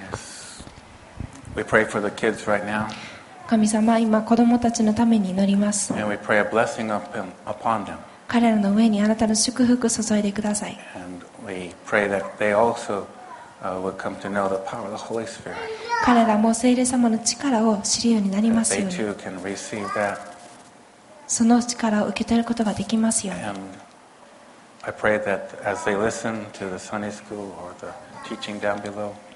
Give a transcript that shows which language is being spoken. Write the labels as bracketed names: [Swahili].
[English] yes. We pray for the kids right now. [Japanese] 神様、今子供たちのために祈ります。 [English] And we pray a blessing upon them. [Japanese] 彼らの上にあなたの祝福を注いでください。 [English] And we pray that they also will come to know the power of the Holy Spirit. [Japanese] 彼らも聖霊様の力を知るようになりますように。 [English] And they too can receive that. [Japanese] その力を受け取ることができますように。 [English] And I pray that as they listen to the Sunday school or the teaching down below.